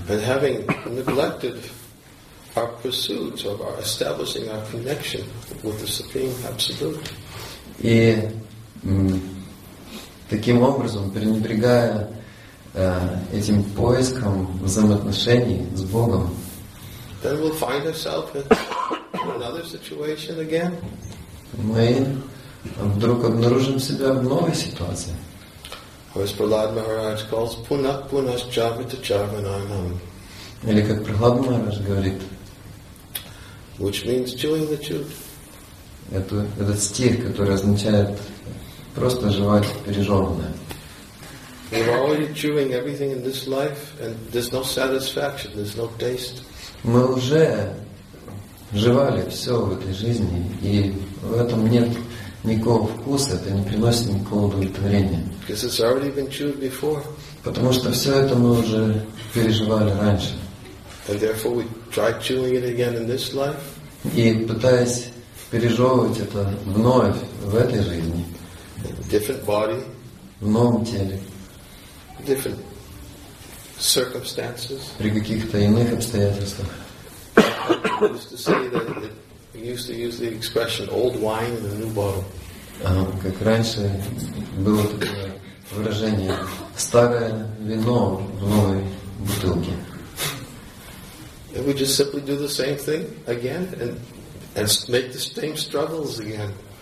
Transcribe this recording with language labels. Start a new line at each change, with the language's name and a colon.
English: And having neglected our pursuit of our establishing our connection with the Supreme Absolute.
Russian: И таким образом, пренебрегая этим поиском взаимоотношений с Богом,
English: then we'll find ourselves in another situation again.
Russian: Мы вдруг обнаружим себя в новой ситуации.
English: As Prahlad Maharaj calls,
Sanskrit: punak punas javita javananam.
Russian: Или как Прахлад Махарадж говорит,
English: which means chewing the chew.
Russian: Этот стих, который означает просто жевать пережеванное.
English: We're already chewing everything in this life, and there's no satisfaction, there's no taste.
Russian: Мы уже жевали все в этой жизни, и в этом нет никакого вкуса, это не приносит никакого удовлетворения.
English: Because it's already been chewed before.
Russian: Потому что все это мы уже переживали раньше.
English: And therefore we try chewing it again in this life.
Russian: И пытаясь пережевывать это вновь в этой жизни.
English: Different body.
Russian: В новом теле.
English: Different circumstances.
Russian: При каких-то иных обстоятельствах.
English: I used to say that we used to use the expression old wine in a new bottle.
Russian: Как раньше было такое выражение: старое вино в новой бутылке.
English: And we just simply do the same thing again and make the same struggles again.